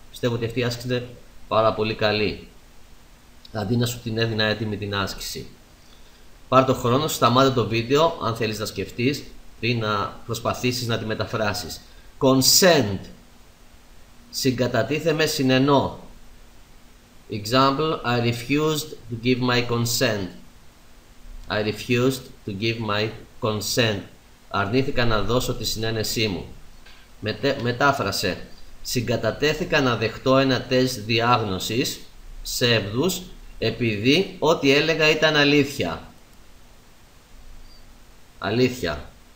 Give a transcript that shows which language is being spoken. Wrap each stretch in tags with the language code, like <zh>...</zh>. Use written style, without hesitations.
<el>Πιστεύω ότι αυτή η άσκηση είναι πάρα πολύ καλή, αντί να σου την έδινα έτοιμη την άσκηση. Πάρ' το χρόνο, σταμάτα το βίντεο αν θέλεις να σκεφτείς ή να προσπαθήσεις να τη μεταφράσεις. Consent, συγκατατίθεμαι, συνενώ.</el> <en>Example, I refused to give my consent. I refused to give my consent.</en> <el>Αρνήθηκα να δώσω τη συνένεσή μου. Μετάφρασε. Συγκατατέθηκα να δεχτώ ένα τεστ διάγνωσης ψεύδους επειδή ό,τι έλεγα ήταν αλήθεια. Αλήθεια.</el>